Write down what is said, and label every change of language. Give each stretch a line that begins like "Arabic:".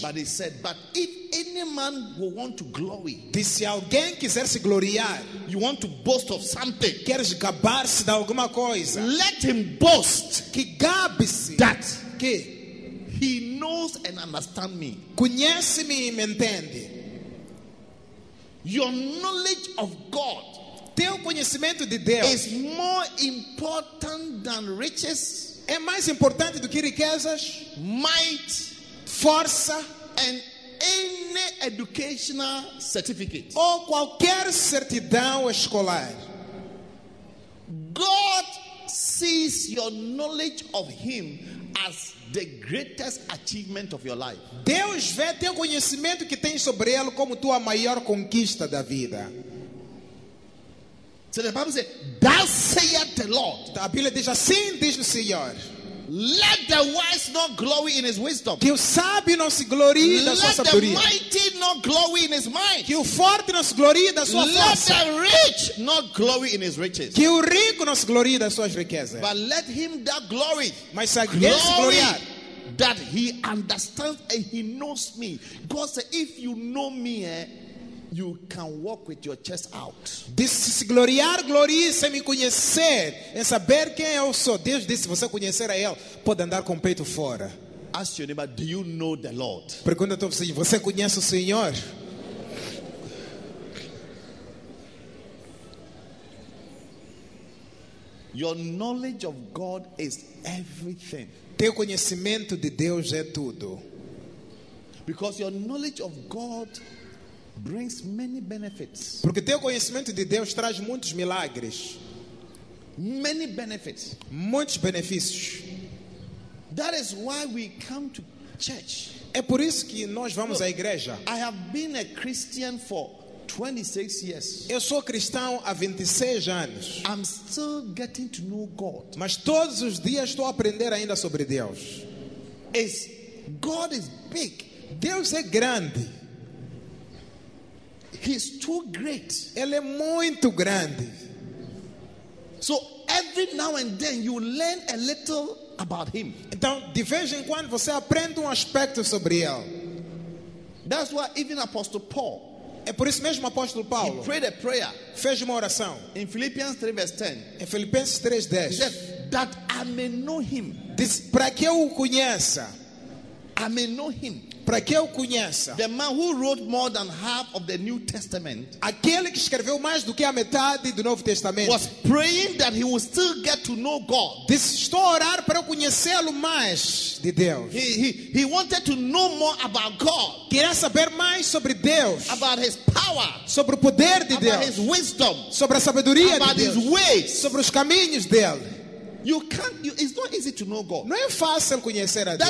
English: But he said, but if any man will want to glory.
Portuguese: Disse, alguém quiser se gloriar.
English: You want to boast of something.
Portuguese: Queres gabar-se de alguma coisa.
English: Let him boast.
Portuguese: Que gabe-se.
English: That.
Portuguese: Que.
English: He knows and understands me.
Portuguese: Conhece-me e me entende.
English: Your knowledge of God.
Portuguese: Teu conhecimento de Deus
English: is more important than riches,
Portuguese: é mais importante do que riquezas,
English: might,
Portuguese: força,
English: and any educational certificate,
Portuguese: ou qualquer certidão escolar.
English: God sees your knowledge of him as the greatest achievement of your life.
Portuguese: Deus vê teu conhecimento que tens sobre ele como tua maior conquista da vida.
English: So the Bible says, "Thus saith the Lord."
Portuguese: A Bíblia diz assim, diz o Senhor.
English: Let the wise not glory in his wisdom.
Portuguese: Que o sábio não se glorie da sua sabedoria.
English: Let the mighty not glory in his might.
Portuguese: Que o forte não se glorie da sua
English: let
Portuguese: força.
English: Let the rich not glory in his riches.
Portuguese: Que o rico não se glorie das suas riquezas.
English: But let him that glory.
Portuguese: Mas aquele que se gloria.
English: That he understands and he knows me. God said, if you know me, you can walk with your chest out.
Portuguese: Disse, se gloriar, glorie-se em me conhecer, em saber quem eu sou. Deus disse, você conhecer a ele, pode andar com o peito fora.
English: Ask your neighbor, do you know the Lord?
Portuguese: Pergunta a você, você conhece o Senhor?
English: Your knowledge of God is everything.
Portuguese: Teu conhecimento de Deus é tudo.
English: Because your knowledge of God brings many benefits.
Portuguese: Porque teu conhecimento de Deus traz muitos milagres.
English: Many benefits.
Portuguese: Muitos benefícios.
English: That is why we come to church.
Portuguese: É por isso que nós vamos à igreja.
English: I have been a Christian for 26 years.
Portuguese: Eu sou cristão há 26 anos.
English: I'm still getting to know God.
Portuguese: Mas todos os dias estou a aprender ainda sobre Deus.
English: Is God is big.
Portuguese: Deus é grande.
English: He's too great.
Portuguese: Ele é muito grande.
English: So every now and then you learn a little about him.
Portuguese: Então, de vez em quando você aprende aspecto sobre ele.
English: That's why even Apostle Paul.
Portuguese: É por isso mesmo Apóstolo Paulo.
English: He prayed a prayer.
Portuguese: Fez uma oração.
English: In Philippians 3 verse 10.
Portuguese: Em Filipenses 3 10.
English: He said, that I may know him.
Portuguese: Diz, para que eu o conheça.
English: I may know him.
Portuguese: Para que eu conheça.
English: The man who wrote more than half of the New Testament.
Portuguese: Aquele que escreveu mais do que a metade do Novo Testamento.
English: Was praying that he would still get to know God.
Portuguese: Diz, estou a orar para eu conhecê-lo mais de Deus.
English: He wanted to know more about God.
Portuguese: Queria saber mais sobre Deus.
English: About his power.
Portuguese: Sobre o poder de
English: about
Portuguese: Deus.
English: About his wisdom.
Portuguese: Sobre a sabedoria
English: about
Portuguese: de Deus.
English: His ways.
Portuguese: Sobre os caminhos dele.
English: It's not easy to know God.
Portuguese: Não é fácil conhecer a Deus.